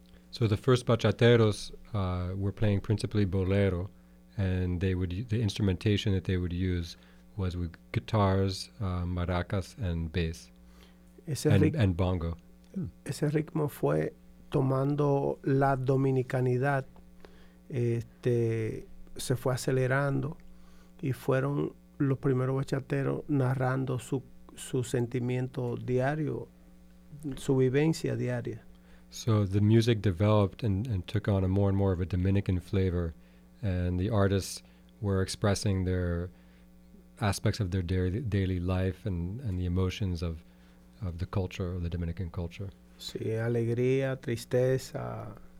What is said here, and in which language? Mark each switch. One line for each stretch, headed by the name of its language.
English: So the first bachateros were playing principally bolero, and the instrumentation that they would use was with guitars, maracas, and bass, and bongo.
Spanish: Ese ritmo fue tomando la dominicanidad, se fue acelerando, y fueron los primeros bachateros narrando su sentimiento diario, su vivencia diaria.
English: So the music developed and took on a more and more of a Dominican flavor, and the artists were expressing their aspects of their daily life and the emotions of of the culture, the Dominican culture.
Spanish: Sí, alegría, tristeza.